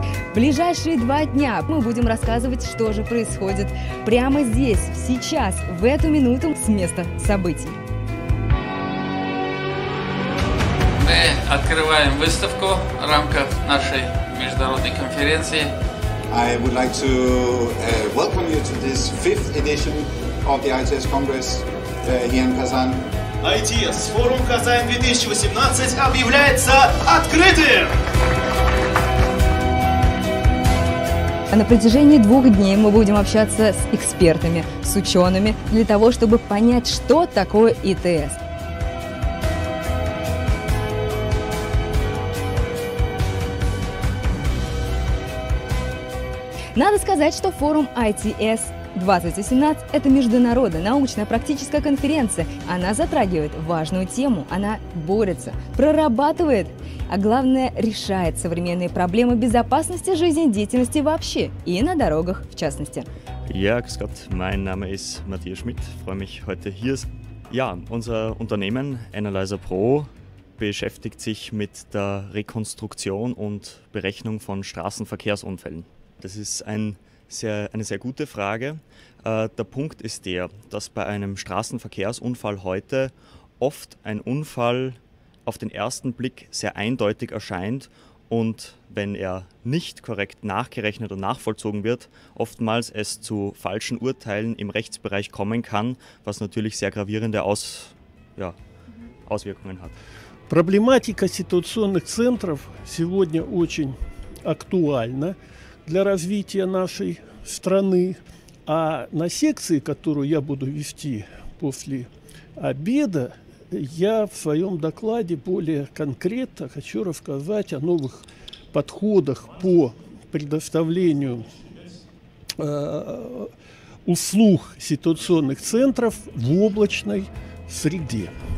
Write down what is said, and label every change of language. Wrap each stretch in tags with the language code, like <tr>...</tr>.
<ru>В ближайшие 2 дня мы будем рассказывать, что же происходит прямо здесь, сейчас, в эту минуту с места событий. Мы открываем выставку в рамках нашей международной конференции.</ru> <en>I would like to welcome you to this 5th edition of the ITS Congress here in Kazan.</en> <ru>ITS Forum Kazan 2018 объявляется открытым! На протяжении 2 дней мы будем общаться с экспертами, с учеными, для того, чтобы понять, что такое ИТС. Надо сказать, что форум ITS 2018 – это международная научно-практическая конференция. Она затрагивает важную тему, она борется, прорабатывает, а главное – решает современные проблемы безопасности жизнедеятельности вообще и на дорогах в частности.</ru> <de>Ja, grüß Gott, mein Name ist Matthias Schmidt, freue mich heute hier. Ja, unser Unternehmen Analyzer Pro beschäftigt sich mit der Rekonstruktion und Berechnung von Straßenverkehrsunfällen. Das ist eine sehr gute Frage. Der Punkt ist der, dass bei einem Straßenverkehrsunfall heute oft ein Unfall auf den ersten Blick sehr eindeutig erscheint und wenn er nicht korrekt nachgerechnet und nachvollzogen wird, oftmals es zu falschen Urteilen im Rechtsbereich kommen kann, was natürlich sehr gravierende Auswirkungen hat.</de> <ru>Проблематика ситуационных центров сегодня очень актуальна для развития нашей страны. А на секции, которую я буду вести после обеда, я в своем докладе более конкретно хочу рассказать о новых подходах по предоставлению услуг ситуационных центров в облачной среде.</ru>